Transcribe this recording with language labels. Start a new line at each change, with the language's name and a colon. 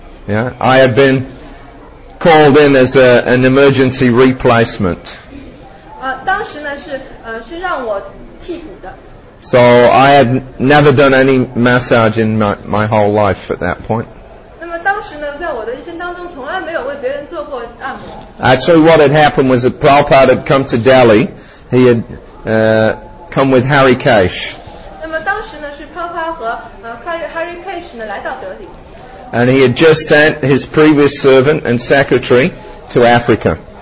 English: Yeah, I had been called in as an emergency replacement.
Chinese: 当时呢是让我替补的。
English: So I had never done any massage in my whole life at that point.
Chinese: 那么当时呢，在我的一生当中，从来没有为别人做过按摩。
English: Actually, what had happened was that Prabhupada had come to Delhi. He had come with Hari Kesh.
Chinese: 那么当时呢，是Prabhupada和Hari Kesh 呢来到德里。
English: and he had just sent his previous servant and secretary to Africa.